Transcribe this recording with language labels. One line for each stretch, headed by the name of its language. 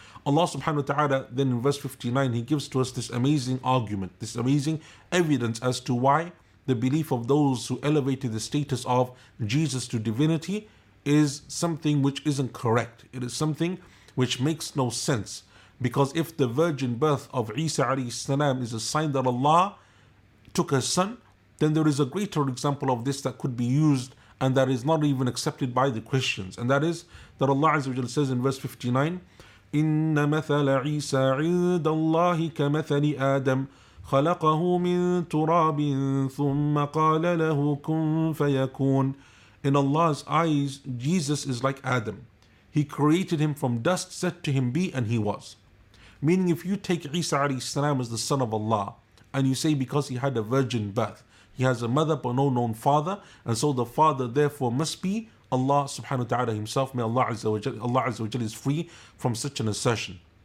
English: Allah subhanahu wa ta'ala, then in verse 59, he gives to us this amazing argument, this amazing evidence as to why the belief of those who elevated the status of Jesus to divinity is something which isn't correct. It is something which makes no sense. Because if the virgin birth of Isa alayhi salam is a sign that Allah took a son, then there is a greater example of this that could be used and that is not even accepted by the Christians. And that is that Allah Azza wa Jalla says in verse 59,
Arabic: إِنَّ مَثَلَ عِيسَى عِنْدَ اللَّهِ كَمَثَلِ آدَمَ خَلَقَهُ مِنْ تُرَابٍ ثُمَّ قَالَ لَهُ كُنْ فَيَكُونَ.
English: In Allah's eyes, Jesus is like Adam. He created him from dust, said to him, be, and he was. Meaning, if you take Isa alayhi salam as the son of Allah, and you say because he had a virgin birth, he has a mother but no known father, and so the father therefore must be Allah subhanahu wa ta'ala himself, may Allah azza wa jal, Allah azza wa jal is free from such an assertion.